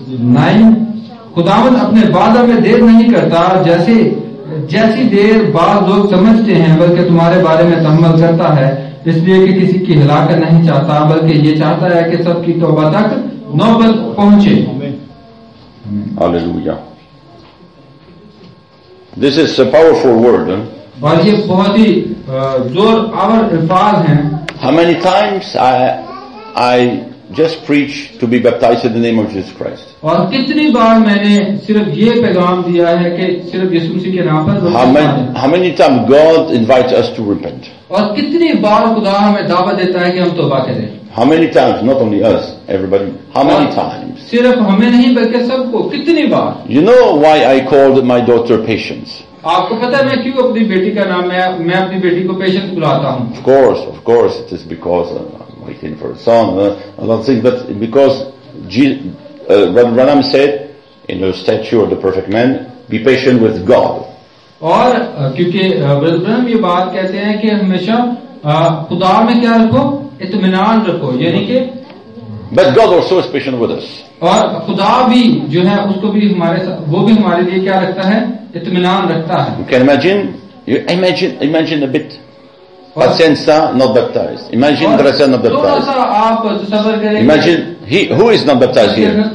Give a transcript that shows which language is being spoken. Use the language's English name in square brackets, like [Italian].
[Hindi] Nine, खुदावंद अपने वादों में देर नहीं करता जैसी देर बाद लोग समझते हैं, बल्कि तुम्हारे बारे में तहम्मुल करता है, इसलिए कि किसी की हलाकत नहीं चाहता, बल्कि ये चाहता है कि सबकी तौबा तक नौबत पहुंचे। Hallelujah. [English] This is a powerful word. [Hindi] और ये बहुत ही जोर आवर अल्फाज हैं। [English] How many times I just preach to be baptized in the name of Jesus Christ. [Hindi] और कितनी बार मैंने सिर्फ ये पैगाम दिया है कि सिर्फ यीशु मसीह के नाम पर। [English] How many times God invites us to repent? [Hindi] और कितनी बार खुदा हमें दावा देता है कि हम तौबा करें? [English] How many times? Not only us, everybody. How many times? [Hindi] सिर्फ हमें नहीं बल्कि सबको, कितनी बार? [English] You know why I called my daughter Patience? [Hindi] आपको पता है मैं क्यों अपनी बेटी का नाम, मैं अपनी बेटी को Patience बुलाता हूँ? [English] Of course, it is because of waiting for a son, a lot of things, but because Jesus, Branham said in the statue of the perfect man, be patient with God. [Hindi] और क्योंकि ब्रह्म ये बात कहते हैं कि हमेशा खुदा में क्या रखो, इत्मीनान रखो, यानी कि। [English] But God also is patient with us. [Hindi] और खुदा भी जो है उसको भी हमारे साथ, वो भी हमारे लिए क्या रखता है, इत्मीनान रखता है। [English] You can imagine, imagine a bit. Pacienza not baptized. Imagine Dresa not baptized. Imagine who is not baptized here?